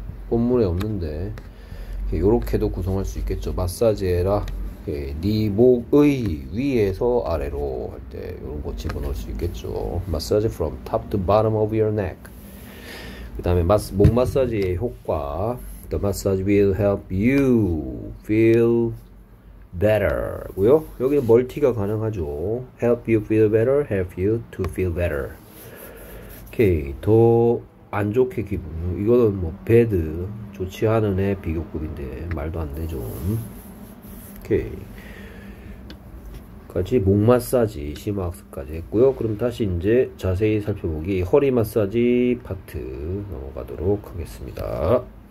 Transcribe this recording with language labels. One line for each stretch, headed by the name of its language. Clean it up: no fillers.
Korean: 본문에 없는데 이렇게도 구성할 수 있겠죠. 마사지해라. 네 목의 위에서 아래로 할때 이런 거 집어넣을 수 있겠죠.
English: Massage from top to bottom of your neck.
Korean: 그 다음에 목 마사지의 효과.
English: The massage will help you feel better. 고요.
Korean: 여기는 멀티가 가능하죠.
English: Help you feel better, help you to feel better.
Korean: 오케이. 더안 좋게 기분. 이거는 뭐 bad 좋지 않은 애 비교급인데 말도 안 되죠. 오케이. 같이 목 마사지 심화학습까지 했고요. 그럼 다시 이제 자세히 살펴보기 허리 마사지 파트 넘어가도록 하겠습니다.